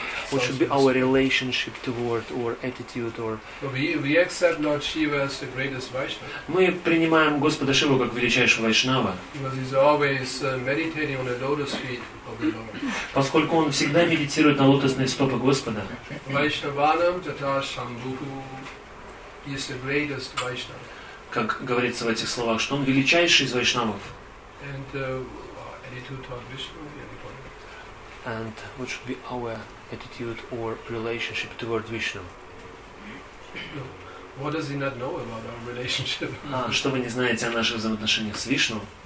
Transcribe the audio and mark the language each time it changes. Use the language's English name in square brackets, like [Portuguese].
[English] What should be our relationship toward or attitude or? We accept Lord Shiva as the greatest Vaishnava. [Russian] Мы принимаем Господа Шиву как величайшего Вайшнава. [English] Because he's always meditating on the lotus feet of the Lord. [Russian] Поскольку он всегда медитирует на лотосные стопы Господа. [Sanskrit] Vaishnavanam tathasambhu [English] is the greatest Vaishnava. [Russian] Как говорится в этих словах, что он величайший из Вайшнавов. [English] And attitude toward Vishnu. And what should be our attitude or relationship toward Vishnu? What does he not know about our relationship? [Russian] Что вы не знаете о наших взаимоотношениях с Вишну?